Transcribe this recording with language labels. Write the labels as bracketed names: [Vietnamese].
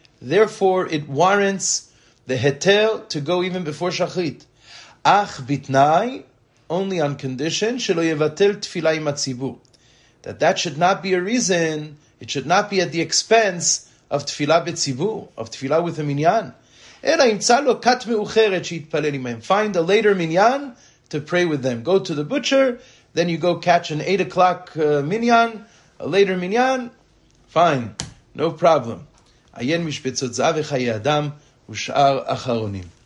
[English] Therefore, it warrants the heter to go even before shachrit. [Hebrew] Ach bitnai, [English] only on condition, [Hebrew] shelo yevatel tefillah im atzibur. [English] That should not be a reason, it should not be at the expense of tefillah betzibur, of tefillah with a minyan. [Hebrew] אלא ימצא לו כת מאוחרת שיתפלל עם הם. [English] Find a later minyan to pray with them. Go to the butcher, then you go catch an 8 o'clock minyan, a later minyan, fine, no problem. [Hebrew] עיין משבצות זהב וחיי אדם ושאר אחרונים.